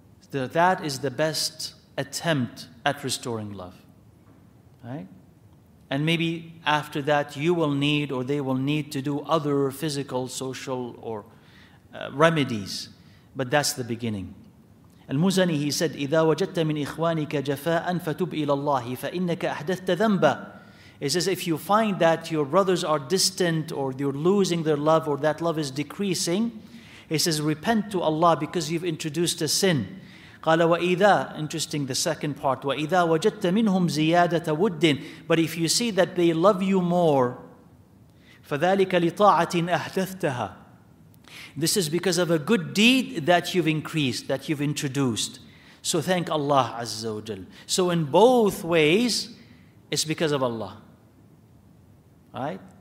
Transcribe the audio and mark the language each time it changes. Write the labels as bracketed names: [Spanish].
[English] So that is the best attempt at restoring love. Right? And maybe after that you will need, or they will need, to do other physical, social, or remedies. But that's the beginning. [Arabic] Al-Muzani, [English] he said, [Arabic] إِذَا وَجَدْتَ مِنْ إِخْوَانِكَ جَفَاءً فَتُبْ إِلَى اللَّهِ فَإِنَّكَ أَحْدَثْتَ ذَنْبًا. [English] He says, if you find that your brothers are distant, or you're losing their love, or that love is decreasing, he says, repent to Allah because you've introduced a sin. [Arabic] قَالَ وَإِذَا, [English] interesting, the second part, [Arabic] وَإِذَا وَجَدْتَ مِنْهُمْ زِيَادَةَ وُدٍّ. [English] But if you see that they love you more, [Arabic] فَذَلِكَ لِطَاعَةٍ أَحْدَثْتَهَا. [English] This is because of a good deed that you've increased, that you've introduced. So thank Allah Azza wa Jal. So in both ways, it's because of Allah. Right?